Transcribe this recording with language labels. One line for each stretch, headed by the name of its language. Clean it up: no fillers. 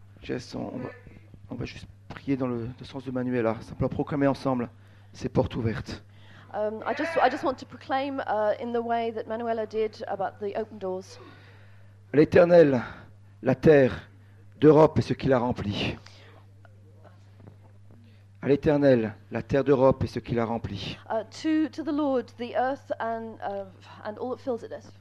French: On va juste prier dans le sens de Manuela. Simplement proclamer ensemble ces portes ouvertes.
English: I just want to proclaim in the way that Manuela did about the open doors.
French: L'Éternel, la terre d'Europe et ce qui la remplit. À l'Éternel, la terre d'Europe et ce qui la remplit.
English: To the Lord, the earth and all that fills it.